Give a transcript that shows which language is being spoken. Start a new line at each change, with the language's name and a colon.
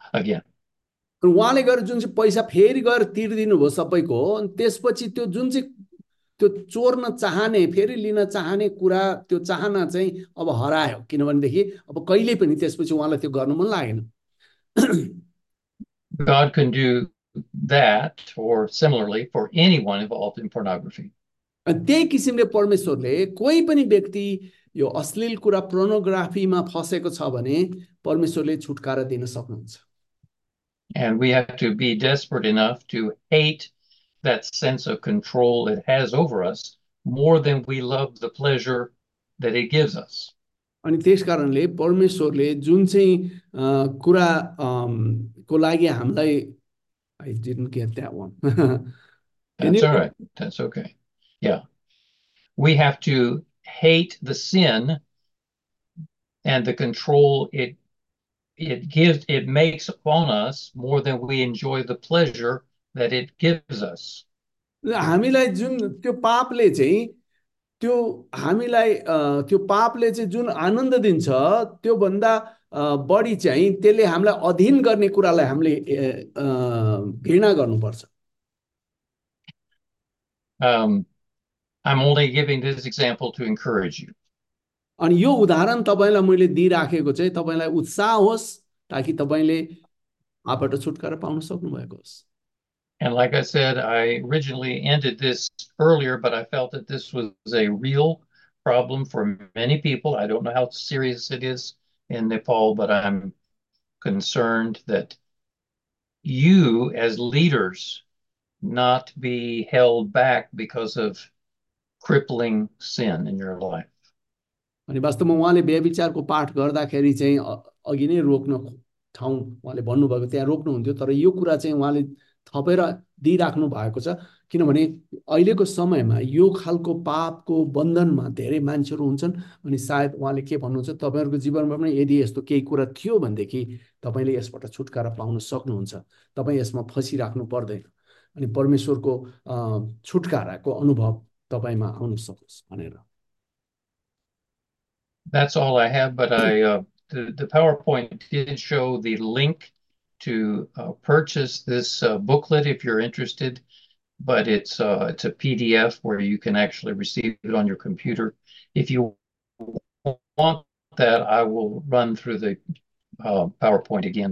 English: Again.
Nepali: उहाँले गएर जुन चाहिँ पैसा फेरि गएर तिरिदिनुभयो सबैको अनि त्यसपछि त्यो जुन चाहिँ त्यो चोर्न चाहने फेरि लिन चाहने कुरा त्यो चाहना चाहिँ अब हरायो किनभनेदेखि अब कहिले पनि त्यसपछि उहाँलाई त्यो गर्नु मन लागेन
English: God can do that or similarly for anyone involved in pornography.
Nepali: त्यही किसिमले परमेश्वरले कोही पनि व्यक्ति यो अश्लील कुरा प्रोनोग्राफीमा फसेको छ भने परमेश्वरले छुटकारा दिन सक्नुहुन्छ
English: And we have to be desperate enough to hate that sense of control it has over us more than we love the pleasure that it gives us.
Nepali: अनि त्यस कारणले परमेश्वरले जुन चाहिँ कुरा को लागि हामीलाई
English: I didn't get that one can That's you all right. That's okay. Yeah. We have to hate the sin and the control it makes on us more than we enjoy the pleasure that it gives us.
Nepali: हामीलाई जुन त्यो पापले चाहिँ त्यो हामीलाई त्यो पापले चाहिँ जुन आनन्द दिन्छ त्योभन्दा बढी चाहिँ त्यसले हामीलाई अधीन गर्ने कुरालाई हामीले घृणा गर्नुपर्छ
English: I'm only giving this example to encourage you.
Nepali: अनि यो उदाहरण तपाईँलाई मैले दिइराखेको चाहिँ तपाईँलाई उत्साह होस् ताकि तपाईँले आफबाट छुटकारा पाउन सक्नुभएको होस्
English: And like I said, I originally ended this earlier, but I felt that this was a real problem for many people. I don't know how serious it is in Nepal, but I'm concerned that you as leaders not be held back because of crippling sin in your life.
Nepali: अनि वास्तवमा उहाँले व्यभिचारको पाठ गर्दाखेरि चाहिँ अघि नै रोक्न ठाउँ उहाँले भन्नुभएको त्यहाँ रोक्नुहुन्थ्यो तर यो कुरा चाहिँ उहाँले थपेर दिइराख्नु भएको छ, किनभने अहिलेको समयमा यो खालको पापको बन्धनमा धेरै मान्छेहरू हुन्छन्। अनि सायद उहाँले के भन्नुहुन्छ, तपाईँहरूको जीवनमा पनि यदि यस्तो केही कुरा थियो भनेदेखि तपाईँले यसबाट छुटकारा पाउन सक्नुहुन्छ, तपाईँ यसमा फँसिराख्नु पर्दैन, अनि परमेश्वरको छुटकाराको अनुभव तपाईँमा आउन सकोस् भनेर।
English: That's all I have, but the PowerPoint did show the link to purchase this booklet if you're interested, but it's a PDF where you can actually receive it on your computer. If you want that, I will run through the PowerPoint again.